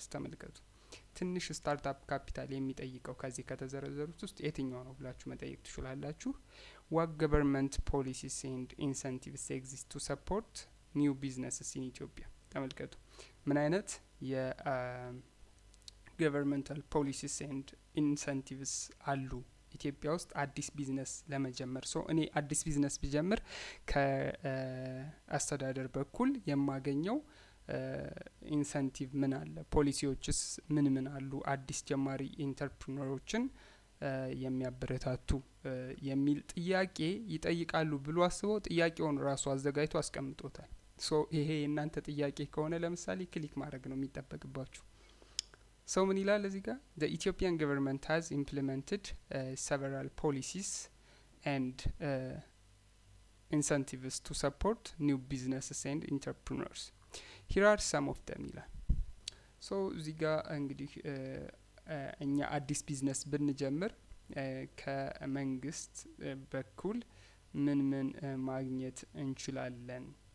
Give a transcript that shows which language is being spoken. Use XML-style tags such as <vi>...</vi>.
<am>ስታመልከቱ ትንሽ startup capital የሚጠይቀው ከዚህ ከተዘረዘሩት ውስጥ የትኛው ነው ብላችሁ መጠየቅ ትችላላችሁ።</am> <en>What government policies and incentives exist to support new businesses in Ethiopia?</en> <am>ተመልከቱ ምን አይነት የ</am> <en>governmental policies and incentives</en> <am>አሉ ኢትዮጵያ ውስጥ አዲስ ቢዝነስ ለመጀመር። ሶ እኔ አዲስ ቢዝነስ ብጀምር ከ አስተዳደር በኩል የማገኘው ኢንሰንቲቭ ምን አለ? ፖሊሲዎችስ ምን ምን አሉ? አዲስ ጀማሪ ኢንተርፕሪነሮችን የሚያበረታቱ የሚል ጥያቄ ይጠይቃሉ ብሎ አስቦ ጥያቄውን ራሱ አዘጋጅቶ አስቀምጦታል። ሶ ይሄ እናንተ ጥያቄ ከሆነ ለምሳሌ ክሊክ ማድረግ ነው የሚጠበቅባችሁ። ሶ ምን ይላል እዚህ ጋር?</am> <en>The Ethiopian government has implemented several policies and incentives to support new businesses and entrepreneurs. Here are some of them</en> <am>ይላል። ሶ እዚህ ጋር እንግዲህ እኛ አዲስ ቢዝነስ ብንጀምር ከመንግስት በኩል ምን ምን ማግኘት እንችላለን?</am>